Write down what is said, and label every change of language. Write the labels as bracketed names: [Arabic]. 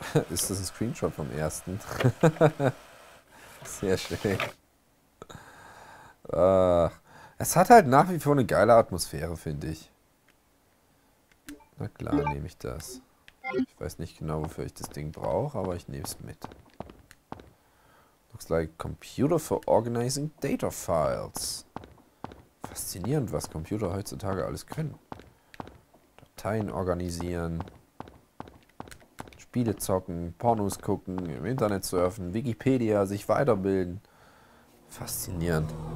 [German] Ist das ein Screenshot vom ersten? Sehr schön. Ach. Es hat halt nach wie vor eine geile Atmosphäre, finde ich. Na klar, nehme ich das. Ich weiß nicht genau, wofür ich das Ding brauche, aber ich nehme es mit. [English] Looks like computer for organizing data files. [German] Faszinierend, was Computer heutzutage alles können. Dateien organisieren. Spiele zocken, Pornos gucken, im Internet surfen, Wikipedia, sich weiterbilden. Faszinierend.